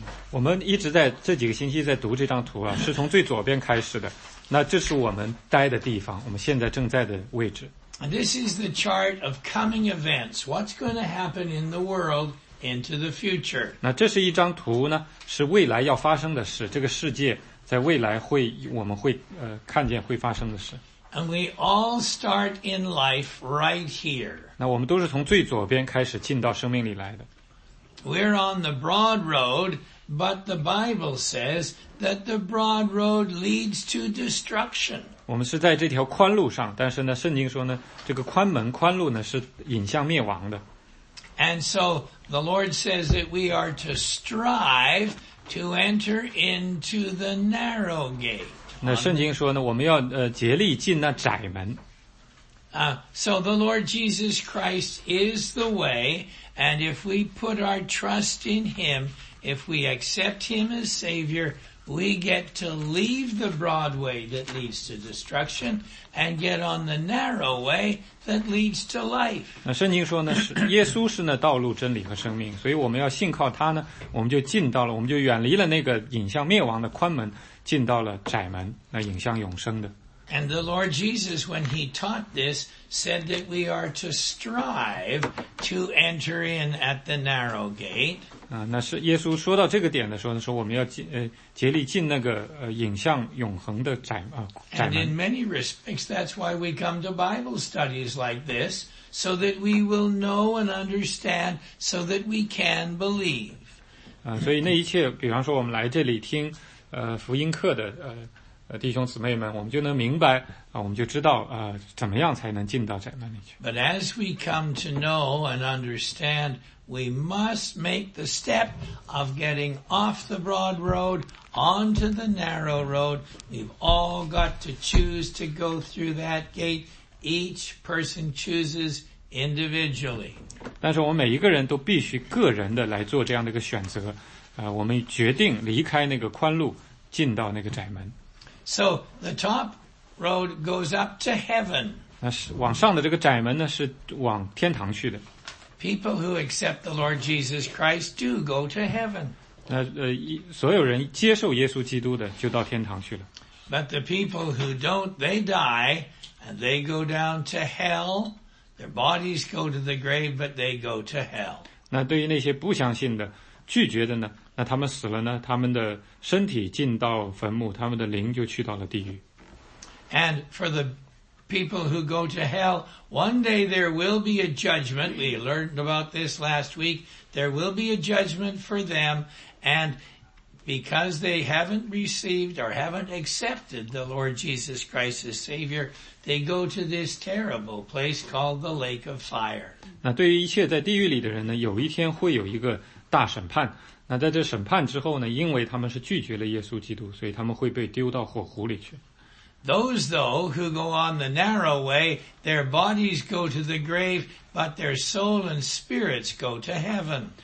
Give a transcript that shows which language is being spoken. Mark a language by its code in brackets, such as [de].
[zh] 我们一直在这几个星期在读这张图啊，是从最左边开始的。那这是我们待的地方，我们现在正在的位置。 [en] And this is the chart of coming events. What's going to happen in the world into the future? [zh] 那这是一张图呢，是未来要发生的事。这个世界在未来会，我们会看见会发生的事。 [en] And we all start in life right here. [zh] 那我们都是从最左边开始进到生命里来的。 [en] We're on the broad road, but the Bible says that the broad road leads to destruction. [zh] 我们是在这条宽路上，但是呢，圣经说呢，这个宽门宽路呢是引向灭亡的。 [en] And so the Lord says that we are to strive to enter into the narrow gate. [zh] 那圣经说呢，我们要竭力进那窄门。 [en] So the Lord Jesus Christ is the way, and if we put our trust in Him, if we accept Him as Savior, we get to leave the broad way that leads to destruction and get on the narrow way that leads to life. [zh] 那圣经说呢，是耶稣是那道路、真理和生命，所以我们要信靠他呢，我们就进到了，我们就远离了那个引向灭亡的宽门，进到了窄门，那引向永生的。 [en] And the Lord Jesus, when he taught this, said that we are to strive to enter in at the narrow gate. [zh] 那是耶稣说到这个点的时候呢，说我们要竭力进那个引向永恒的窄门。 [en] And in many respects, that's why we come to Bible studies like this, so that we will know and understand, so that we can believe. [zh] 所以那一切，比方说我们来这里听福音课的弟兄姊妹们，我们就能明白我们就知道怎么样才能进到窄门里去。 [en] But as we come to know and understand, we must make the step of getting off the broad road onto the narrow road. We've all got to choose to go through that gate. Each person chooses individually. [zh] 但是我们每一个人都必须个人的来做这样的一个选择，我们决定离开那个宽路，进到那个窄门。 [en] So the top road goes up to heaven. [zh] 那是往上的这个窄门呢，是往天堂去的。 [en] People who accept the Lord Jesus Christ do go to heaven. [zh] 那所有人接受耶稣基督的就到天堂去了。 [en] But the people who don't, they die and they go down to hell. Their bodies go to the grave, but they go to hell. [zh] 那对于那些不相信的、拒绝的呢？那他们死了呢，他们的身体进到坟墓，他们的灵就去到了地狱。 [en] And for the people who go to hell, one day there will be a judgment. We learned about this last week. There will be a judgment for them. And because they haven't received or haven't accepted the Lord Jesus Christ as Savior, they go to this terrible place called the Lake of Fire. [zh] 那对于一切在地狱里的人呢，有一天会有一个大审判。那在这审判之后呢，因为他们是拒绝了耶稣基督，所以他们会被丢到火湖里去。 [en] Those though who go on the narrow way, their bodies go to the grave, but their soul and spirits go to heaven.